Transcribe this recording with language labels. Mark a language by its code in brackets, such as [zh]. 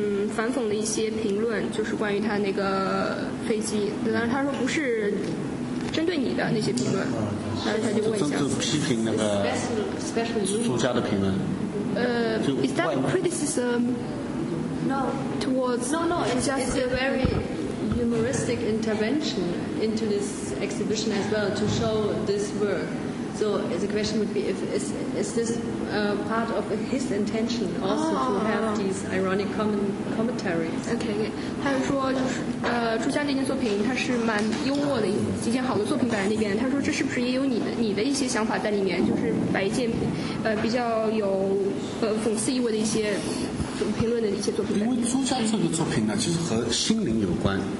[zh] 他说他有一些比较讽刺的反讽的一些评论, 就是关于他那个飞机, 但是他说不是针对你的那些评论, 他就问一下。这批评那个作家的评论。 [en] Is that criticism? No. Towards? No, it's a very humoristic intervention into this exhibition as well to show this work. So the question would be, is this part of his intention also to have these ironic commentaries? Okay. [zh] 他就说，朱家那件作品，它是蛮幽默的一件好的作品摆在那边。他说，这是不是也有你的一些想法在里面？就是摆一件比较有讽刺意味的一些评论的一些作品。因为朱家这个作品呢，其实和心灵有关。